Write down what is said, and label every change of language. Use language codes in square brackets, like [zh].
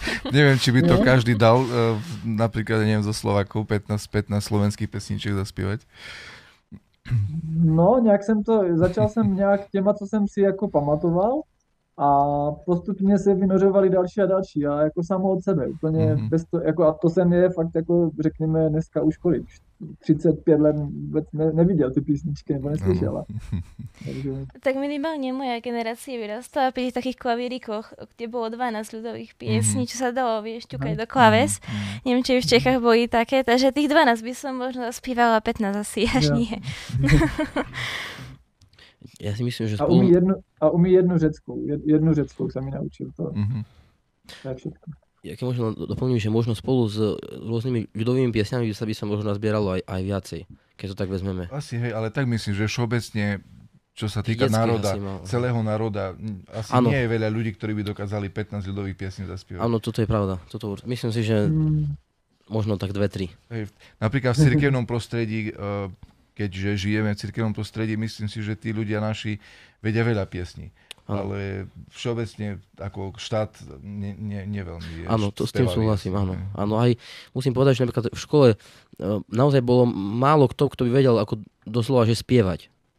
[sk] Neviem, či by to každý dal, napríklad, neviem, zo Slovákov 15 slovenských pesničiek zaspívať. [cs] No, nějak jsem to, začal jsem nějak těma, co jsem si jako pamatoval a postupně se vynořovali další a další a jako samo od sebe, úplně bez to, jako a to jsem je fakt jako řekněme dneska u školy, 35 let neviděl ty písničky nebo neslyšela. [sk] Tak minimálně moje generace vyrostala při takých klavírikoch, kde bylo 12 ľudových písní, [cs] co se dalo vyšťukat do klaves. [sk] Nevím, či v Čechách byly také, takže těch 12 by som možno zaspívala, 15 asi, až nie. Ja si myslím, že [cs] spolu... A umí jednu řeckou. [sk] Jednu řeckou sa mi naučil to. Ja keď možno doplním, že možno spolu s rôznymi ľudovými piesňami sa by sa možno nazbieralo aj viacej, keď to tak vezmeme. Asi, hej, ale tak myslím, že všeobecne, čo sa týka Viedecký národa, celého národa, asi ano. Nie je veľa ľudí, ktorí by dokázali 15 ľudových piesní zaspievať. Áno, toto je pravda. Toto, myslím si, že možno tak 2-3. Napríklad v cirkevnom prostredí... Keďže žijeme v cirkevnom prostredí, myslím si, že tí ľudia naši vedia veľa piesní. Ano. Ale všeobecne ako štát neveľmi je. Áno, s tým súhlasím. Áno. Áno, aj musím povedať, že napríklad v škole naozaj bolo málo kto by vedel ako doslova, že spievať.